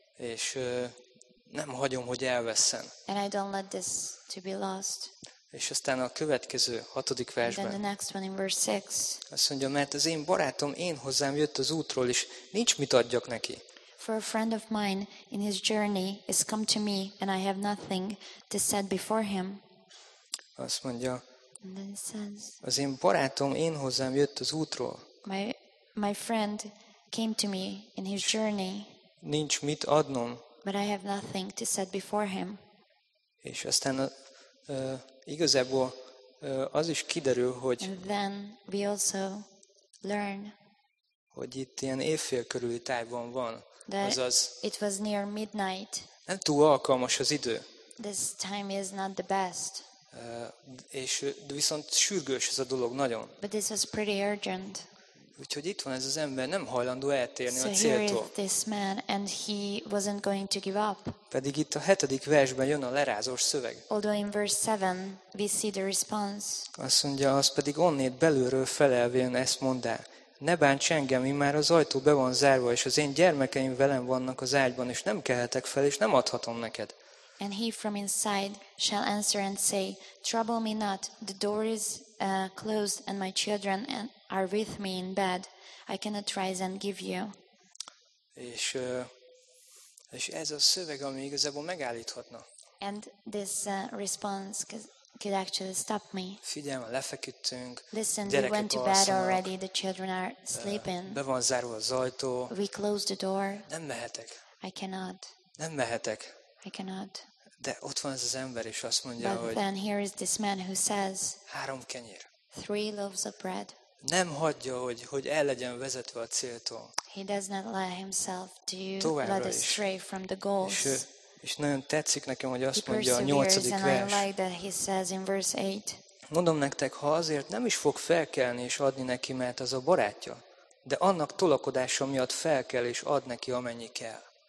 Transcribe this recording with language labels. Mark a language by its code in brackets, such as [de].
[hu] És nem hagyom, hogy elvesszen. [en] And I don't let this to be lost. [hu] És aztán a következő, hatodik versben. [en] And then the next one in verse 6. [hu] Azt mondja, mert az én barátom én hozzám jött az útról, és nincs mit adjak neki. [en] For a friend of mine in his journey is come to me and I have nothing to set before him. [hu] Azt mondja, [en] and then it says, [hu] az én barátom én hozzám jött az útról. [en] My friend came to me in his journey. [hu] Nincs mit adnom. [en] But I have nothing to set before him. [hu] És aztán igazából az is kiderül, hogy [en] and then we also learn, [hu] hogy itt ilyen évfél körüli tájban van. [en] That [hu] azaz, [en] it was near midnight. [hu] Nem túl alkalmas az idő. [en] This time is not the best. [hu] És viszont sürgős ez a dolog nagyon. [en] But this was pretty urgent. [hu] Úgyhogy itt van ez az ember, nem hajlandó eltérni [en] so [hu] a céltól. [en] Here is this man, and he wasn't going to give up. [hu] Pedig itt a hetedik versben jön a lerázós szöveg. [en] Although in verse 7 we see the response. [hu] Azt mondja, az pedig onnét belülről felelvén ezt mondá. Ne bánts engem, mi már az ajtó be van zárva, és az én gyermekeim velem vannak az ágyban, és nem kelhetek fel, és nem adhatom neked. [en] And he from inside shall answer and say, trouble me not, the door is closed, and my children are with me in bed. I cannot rise and give you. [hu] És ez a szöveg, ami igazából megállíthatna. [en] And this response could actually stop me. [hu] Figyelme, lefeküdtünk. [en] Listen, we went to bed already. The children are sleeping. [hu] Be van zárva az ajtó. [en] We closed the door. [hu] Nem mehetek. [en] I cannot. [hu] Nem mehetek. [en] I cannot. [hu] De ott van ez az ember, és azt mondja, [en] but [hu] hogy [en] then here is this man who says, [hu] három kenyér. [en] Three loaves of bread. [hu] Nem hagyja, hogy el legyen vezetve a céltól. [en] He does not let himself to let astray from the goals. [hu] És nagyon tetszik nekem, hogy azt mondja a nyolcadik vers. [en] Like that he says in verse 8. [hu] Mondom nektek, ha azért nem is fog felkelni és adni neki, mert az a barátja, de annak tolakodása miatt felkel és ad neki, amennyi kell.